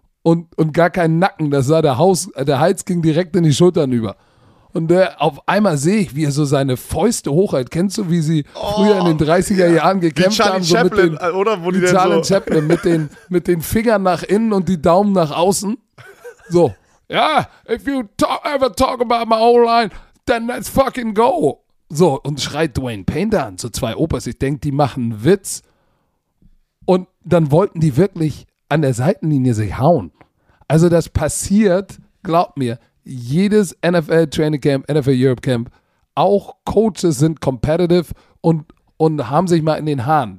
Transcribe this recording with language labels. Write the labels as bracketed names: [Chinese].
[German] Und gar keinen Nacken, das sah der Hals ging direkt in die Schultern über. Und auf einmal sehe ich, wie er so seine Fäuste hochhält. Kennst du, wie sie früher in den 30er Jahren gekämpft Charlie haben? So Chaplin, Charlie Chaplin mit den Fingern nach innen und die Daumen nach außen. [English] So, ja, yeah, if you ever talk about my O-line, then let's fucking go. [German] So, und schreit Dwayne Painter an, so 2 Opas. Ich denke, die machen einen Witz. Und dann wollten die wirklich an der Seitenlinie sich hauen. Also das passiert, glaub mir, jedes NFL Training Camp, NFL Europe Camp, auch Coaches sind competitive und haben sich mal in den Haaren.